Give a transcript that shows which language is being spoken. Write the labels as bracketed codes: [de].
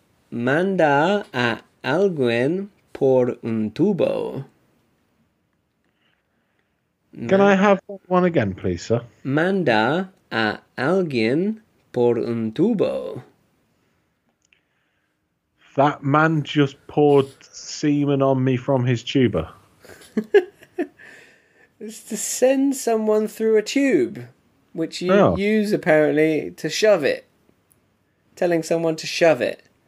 [es] Manda a alguien por un tubo. [en] Can I have one again, please, sir? [es] Manda a alguien por un tubo. [en] That man just poured semen on me from his tuba. It's to send someone through a tube, which you use apparently to shove it. Telling someone to shove it.